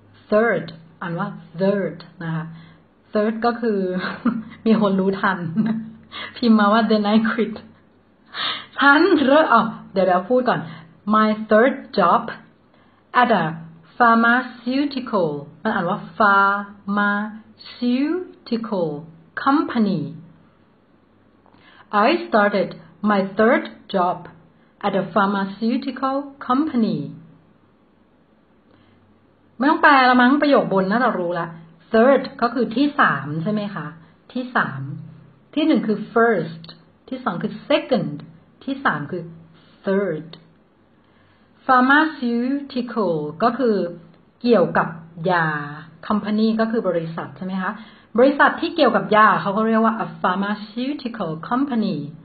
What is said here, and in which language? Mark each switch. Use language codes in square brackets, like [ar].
[th] Third, อ่านว่า third นะคะ third ก็คือมีคนรู้ทันพิมพ์มาว่า [en] then I quit. [th] ฉันเดี๋ยวพูดก่อน [en] my third job at a pharmaceutical [th] มันอ่านว่า [en] pharmaceutical company. I started my third job. At a pharmaceutical company. [th] ไม่ต้องแปลละมั้งประโยคบนน่าจะรู้ละ Third ก็คือที่สามใช่ไหมคะที่สามที่หนึ่งคือ first ที่สองคือ second ที่สามคือ third. Pharmaceutical ก็คือเกี่ยวกับยา company ก็คือบริษัทใช่ไหมคะบริษัทที่เกี่ยวกับยาเขาก็เรียกว่า [en] a pharmaceutical company.